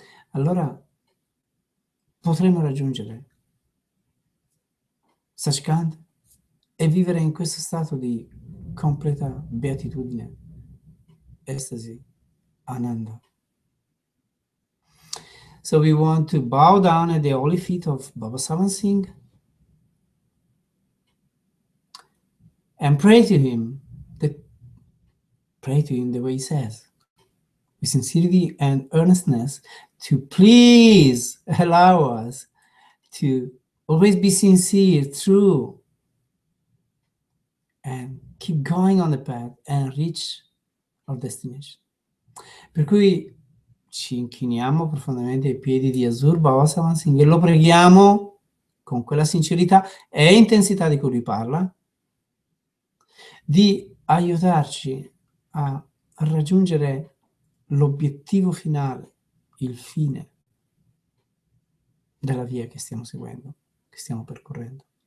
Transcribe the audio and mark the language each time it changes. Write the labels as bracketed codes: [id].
[it] Allora potremo raggiungere Satsang e vivere in questo stato di completa beatitudine, estasi, ananda. [en] So we want to bow down at the holy feet of Baba Sawan Singh and pray to him the way he says, with sincerity and earnestness, to please allow us to always be sincere, true, and keep going on the path and reach our destination. [it] Per cui ci inchiniamo profondamente ai piedi di Azur Baba Sawan Singh e lo preghiamo con quella sincerità e intensità di cui lui parla, di aiutarci a raggiungere l'obiettivo finale, il fine della via che stiamo seguendo, che stiamo percorrendo.